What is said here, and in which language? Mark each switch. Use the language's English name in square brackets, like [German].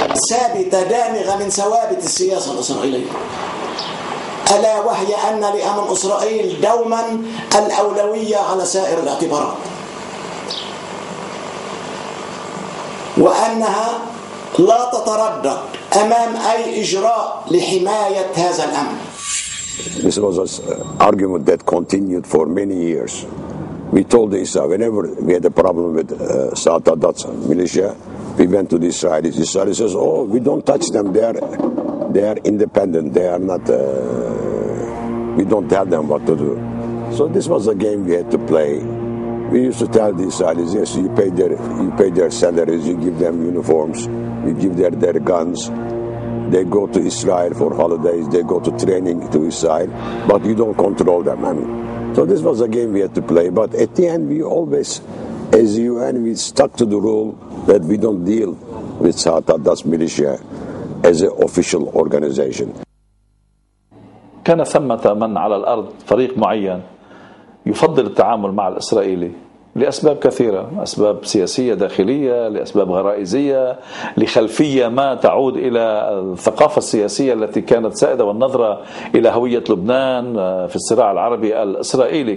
[Arabic] ثابتة دامغة من ثوابت السياسة الإسرائيلية، ألا وهي أن لأمن إسرائيل دوما الأولوية على سائر الاعتبارات، وأنها لا تتردد أمام أي إجراء لحماية هذا الأمن. [English] This was an argument that continued for many years. We told Israel whenever we had a problem with Sadat's militia, we went to the Israelis. The Israelis says, "Oh, we don't touch them. They are independent. They are not. We don't tell them what to do." So this was a game we had to play We used to tell the Israelis, yes, you pay their salaries, you give them uniforms, you give their guns. They go to Israel for holidays, they go to training to Israel, but you don't control them. I mean, so this was a game we had to play. But at the end, we always, as UN, we stuck to the rule that we don't deal with Saad al-Assad's militia as an official organization. [Arabic] كان ثمة من على الأرض فريق معين يفضل التعامل مع الإسرائيلي لأسباب كثيرة، أسباب سياسية داخلية، لأسباب غرائزية، لخلفية ما تعود إلى الثقافة السياسية التي كانت سائدة والنظرة إلى هوية لبنان في الصراع العربي الإسرائيلي.